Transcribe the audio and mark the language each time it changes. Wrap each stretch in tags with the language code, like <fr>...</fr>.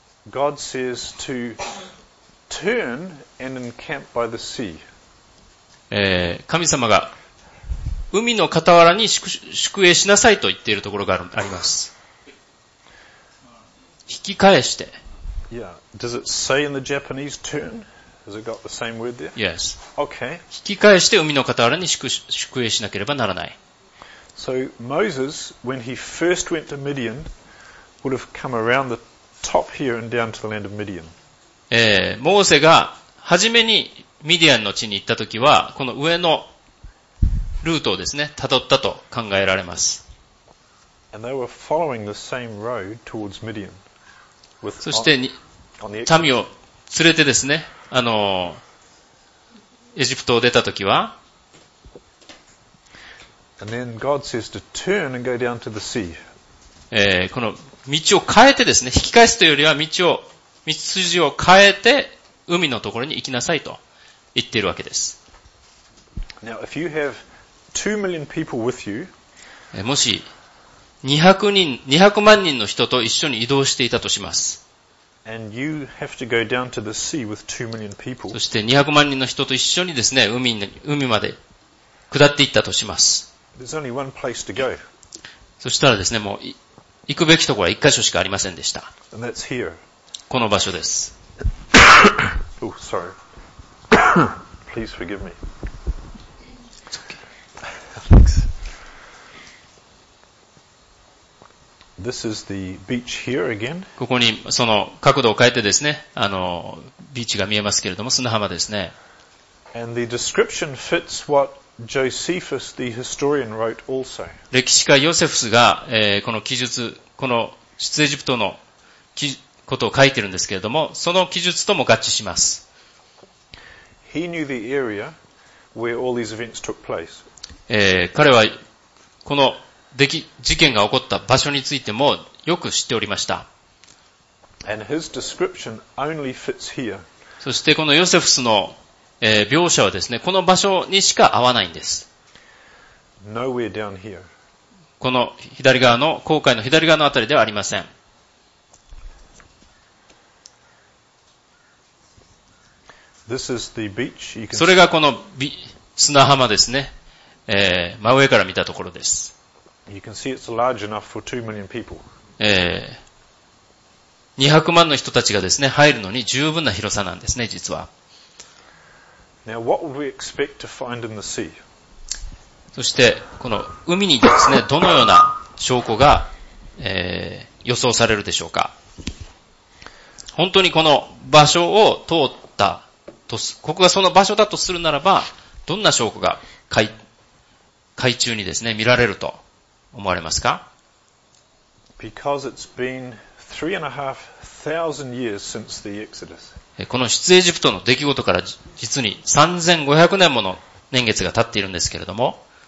<en>God says to turn and encamp by the sea.</en> <ja>神様が海の傍らに宿営しなさいと言っているところがあります。引き返して。</ja> <en>Yeah. Does it say in the Japanese turn? Has it got the same word there? Yes. Okay.</en> <ja>引き返して海の傍らに宿営しなければならない。</ja> <en>So Moses, when he first went to Midian, would have come around the top here and down to the land of Midian.</en> <ja>モーセが初めにミディアンの地に行ったときは、この上のルートをですね、辿ったと考えられます。</ja> <en>And they were following the same road towards Midian.</en> <ja>そして、民を連れてですね、あの、エジプトを出たときは、</ja> <en>And then God says to turn and go down to the sea.</en> <ja>この道を変えてですね、引き返すというよりは道筋を変えて海のところに行きなさいと言っているわけです。</ja> <en>Now, if you have 2 million people with you,</en> <ja>もし200万人の人と一緒に移動していたとします。</ja> <en>And you have to go down to the sea with 2 million people.</en> <ja>そして200万人の人と一緒にですね、海まで下っていったとします。</ja> <en>There's only one place to go.</en> <ja>そしたらですね、もう行くべきところは一箇所しかありませんでした。</ja> <en>And that's here.</en> <ja>この場所です。</ja> <en>Oh, sorry. Please forgive me. It's okay. Thanks. This is the beach here again.</en> <ja>ここにその角度を変えてですね、ビーチが見えますけれども、砂浜ですね。</ja> <en>And the description fits what Josephus, the historian, wrote also.</en> <ja>歴史家ヨセフスが、この記述、この出エジプトのことを書いてるんですけれども、その記述とも合致します。</ja> <en>He knew the area where all these events took place.</en> <ja>彼はこの事件が起こった場所についてもよく知っておりました。</ja> <en>And his description only fits here.</en> <ja>そしてこのヨセフスの、描写はですね、この場所にしか合わないんです。</ja> <en>Nowhere down here.</en> <ja>この左側の、航海の左側のあたりではありません。</ja> <en>This is the beach. You can see.</en> <ja>それがこの砂浜ですね、真上から見たところです。</ja> <en>You can see it's large enough for 2 million people.</en> <ja>200万の人たちがですね、入るのに十分な広さなんですね、実は。</ja> <en>Now, what would we expect to find in the sea?</en> <ja>そして、この海にですね、どのような証拠が、予想されるでしょうか。本当にこの場所を通ったとす、ここがその場所だとするならば、どんな証拠が海中にですね、見られると。思われますか?</ja> <en>Because it's been 3,500 years since the Exodus.</en> <ja>この出エジプトの出来事から実に3500年もの年月が経っているんですけれども。</ja>